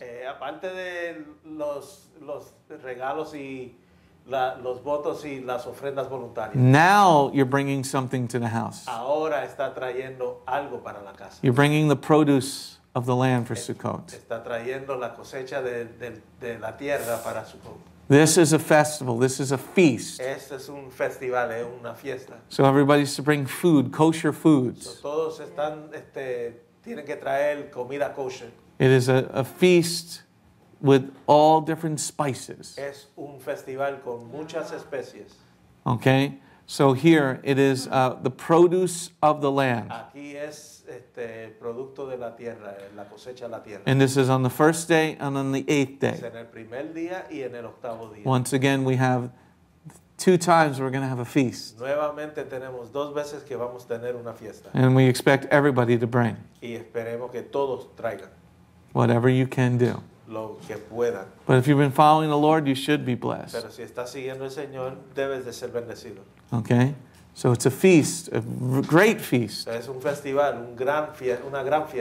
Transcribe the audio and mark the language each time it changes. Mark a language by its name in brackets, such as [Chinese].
[Spanish] Aparte de los regalos y los votos y las ofrendas voluntarias. [English] Now you're bringing something to the house. [Spanish] Ahora está trayendo algo para la casa. [English] You're bringing the produce of the land for Sukkot. [Spanish] Está trayendo la cosecha de la tierra para Sukkot. [English] This is a festival. This is a feast. [Spanish] Este es un festival, es una fiesta. [English] So everybody's to bring food, kosher foods. So [Spanish] todos están tienen que traer comida kosher. [English] It is a feast with all different spices. [Spanish] Es un festival con muchas especies. [English] Okay, so here it is the produce of the land. [Spanish] Aquí es producto de la tierra, la cosecha de la tierra. [English] And this is on the first day and on the 8th day. [Spanish] Es en el primer día y en el octavo día. [English] Once again, we have 2 times we're going to have a feast. [Spanish] Nuevamente tenemos 2 veces que vamos a tener una fiesta. [English] And we expect everybody to bring. [Spanish] Y esperemos que todos traigan. [English] Whatever you can do. [Spanish] Lo que puedan. [English] But if you've been following the Lord, you should be blessed. [Spanish] Pero si estás siguiendo el Señor, debes de ser bendecido. [English] Okay? So it's a feast, a great feast. [Spanish] Es un festival, un gran fiesta, una gran fiesta.